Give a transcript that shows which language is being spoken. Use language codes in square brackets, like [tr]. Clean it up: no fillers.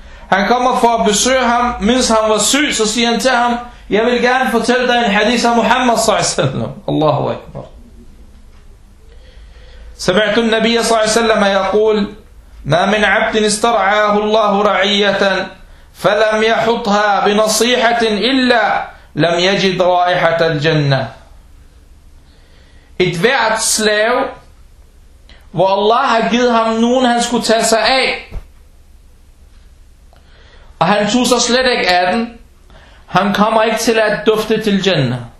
[da] Han kommer for at besøge ham, mens han var syg, så siger han til ham, jeg vil gerne fortælle dig en hadith af Muhammad s.a.w. [ar] Allahu Akbar. سمعت النبي صلى الله عليه وسلم يقول ما من عبد استرعاه الله رعية فلم يحطها بنصيحة إلا لم يجد رائحة الجنة. [da] Et hvert slave, hvor Allah har givet ham nogen, han skulle tage sig af, og han tog sig slet ikke af den, han kommer ikke til at dufte til Jannah.